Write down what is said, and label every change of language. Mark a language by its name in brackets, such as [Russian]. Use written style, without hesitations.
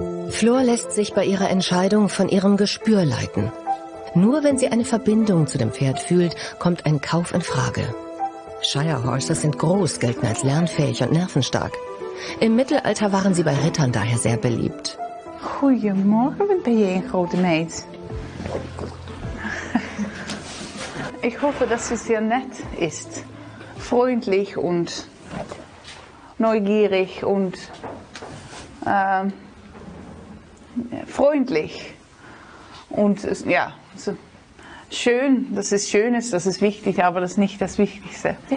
[German] Floor lässt sich bei ihrer Entscheidung von ihrem Gespür leiten. Nur wenn sie eine Verbindung zu dem Pferd fühlt, kommt ein Kauf in Frage. Shire Horses sind groß, gelten als lernfähig und nervenstark. Im Mittelalter waren sie bei Rittern daher sehr beliebt. [Dutch] Goedemorgen, wat ben je een grote meid? [German] Ich hoffe, dass sie sehr nett ist, freundlich und neugierig und freundlich. Und ja, so schön, dass es schön ist, das ist wichtig, aber das ist nicht das Wichtigste.